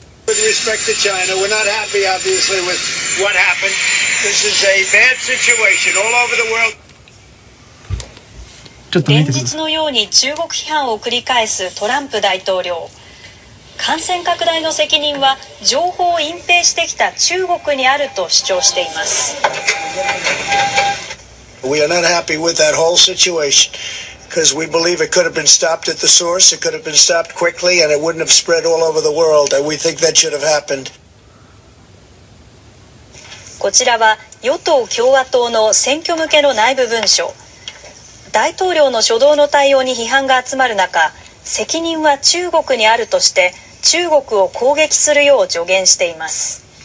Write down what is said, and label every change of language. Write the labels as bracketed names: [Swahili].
[English] With respect to China, we're not happy obviously with what happened. This is a bad situation all over the world. [Japanese] 連日のように中国批判を繰り返すトランプ大統領。感染拡大の責任は情報を隠蔽してきた中国にあると主張しています。 [English] We are not happy with that whole situation because we believe it could have been stopped at the source. It could have been stopped quickly and it wouldn't have spread all over the world. And we think that should have happened. [Japanese] こちらは与党共和党の選挙向けの内部文書。大統領の初動の対応に批判が集まる中、責任は中国にあるとして中国を攻撃するよう助言しています。